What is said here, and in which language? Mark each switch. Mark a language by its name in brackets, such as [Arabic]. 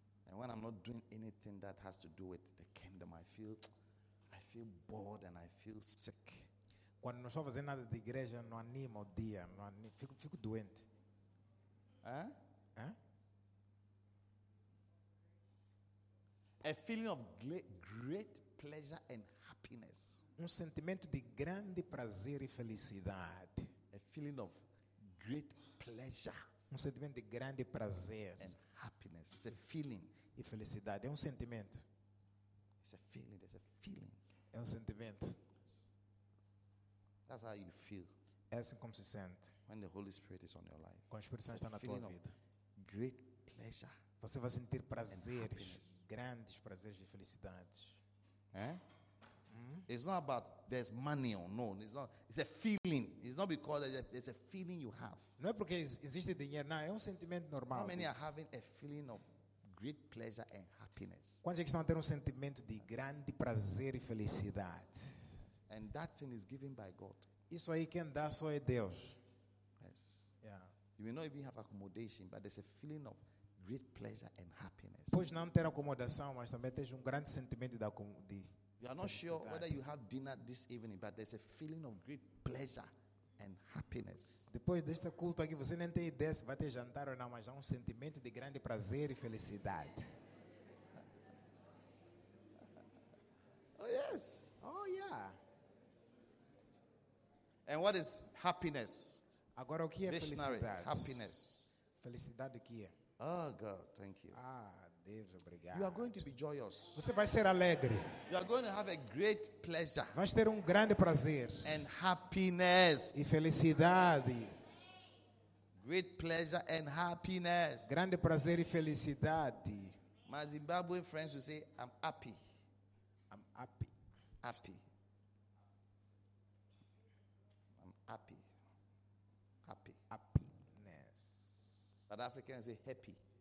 [English] And when I'm not doing anything that has to do with the kingdom, I feel bored and I feel sick. [Portuguese] Quando não estou fazendo nada da igreja, não animo o dia, não animo, fico doente. [English] A feeling of great pleasure and happiness. [Portuguese] Sentimento de grande prazer e felicidade. [English] A feeling of great pleasure. [Portuguese] Sentimento de grande prazer. [English] And happiness. It's a feeling. [Portuguese] E felicidade. É sentimento. [English] It's a feeling. It's a feeling. [Portuguese] É sentimento. [English] That's how you feel. [Portuguese] É assim como se sente. [English] When the Holy Spirit is on your life. [Portuguese] Quando o Espírito Santo está na tua vida. [English] Great pleasure. [Portuguese] Você vai sentir prazeres, grandes prazeres e felicidades. [English] It's not about there's money or no. It's not. It's a feeling. It's not because there's a feeling you have. [Portuguese] Não é porque existe dinheiro, não. É sentimento normal. [English] How many are having a feeling of great pleasure and happiness? [Portuguese] Quantos estão tendo sentimento de grande prazer e felicidade? [English] And that thing is given by God. [Portuguese] Isso aí quem dá só é Deus. [English] Yes. Yeah. You may not even have accommodation, but there's a feeling of great pleasure and happiness. [Portuguese] Pois não ter acomodação, mas também tens grande sentimento de [English] You are not sure whether you have dinner this evening, but there's a feeling of great pleasure and happiness. [Portuguese] Depois deste culto aqui, você nem tem ideia se vai ter jantar ou não, mas há sentimento de grande prazer e felicidade. [English] Oh yes. Oh yeah. And what is happiness? [Portuguese] Agora o que é [English] dictionary, [Portuguese] felicidade? [English] Happiness. [Portuguese] Felicidade o que é? [English] Oh God, thank you. [Portuguese] Ah, Deus, obrigado. [English] You are going to be joyous. [Portuguese] Você vai ser alegre. [English] You are going to have a great pleasure. [Portuguese] Vai ter grande prazer. [English] And happiness. [Portuguese] E felicidade. [English] Great pleasure and happiness. [Portuguese] Grande prazer e felicidade. [English] My Zimbabwean friends will say, I'm happy. I'm happy. Happy. I'm happy. Happy. Happiness. South Africans say happy.